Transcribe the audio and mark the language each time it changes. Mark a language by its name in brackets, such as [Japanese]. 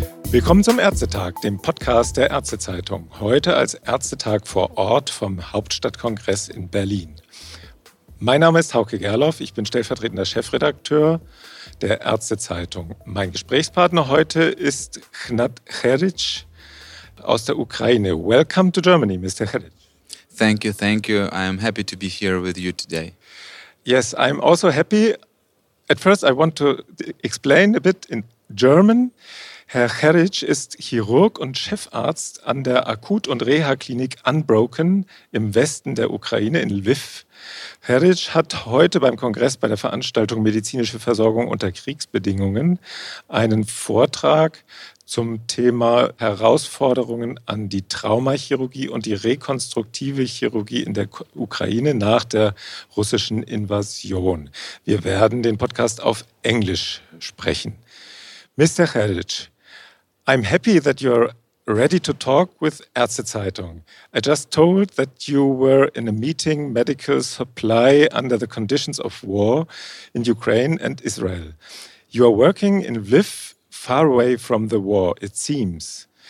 [German] Willkommen zum Ärztetag, dem Podcast der Ärztezeitung. Heute als Ärztetag vor Ort vom Hauptstadtkongress in Berlin. Mein Name ist Hauke Gerloff, ich bin stellvertretender Chefredakteur der Ärztezeitung. Mein Gesprächspartner heute ist Hnat Kheritsch aus der Ukraine. [English] Welcome to Germany, Mr. Kheritsch. Thank you. I am happy to be here with you today. Yes, I'm also happy. At first, I want to explain a bit in German. [German] Herr Kheritsch ist Chirurg und Chefarzt an der Akut- und Reha-Klinik Unbroken im Westen der Ukraine in Lviv. Kheritsch hat heute beim Kongress bei der Veranstaltung Medizinische Versorgung unter Kriegsbedingungen einen Vortrag zum Thema Herausforderungen an die Traumachirurgie und die rekonstruktive Chirurgie in der Ukraine nach der russischen Invasion. Wir werden den Podcast auf Englisch sprechen. [English] Mr. Kheritsch, I'm happy that you're ready to talk with Ärztezeitung. I just told that you were in a meeting, medical supply under the conditions of war in Ukraine and Israel. You are working in Lviv, far away from the war, it seems.